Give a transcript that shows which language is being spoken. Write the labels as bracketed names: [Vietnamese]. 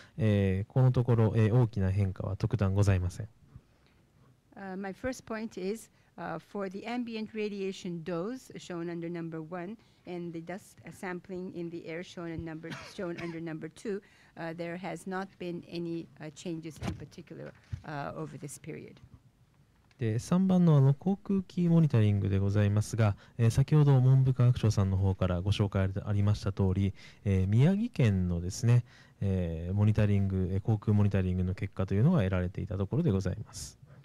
[Japanese] まず1番にございます空間放射線量、また2番のですね空気中の放射性物質濃度でございますが、このところ大きな変化は特段ございません。 [English] My first point is for the ambient radiation dose shown under number one and the dust sampling in the air shown in number shown under number two, there has not been any changes in particular over this period. [Japanese] で、3番の航空機モニタリングでございますが、先ほど文部科学省さんの方からご紹介ありました通り、宮城県のですね、モニタリング、航空モニタリングの結果というのが得られていたところでございます。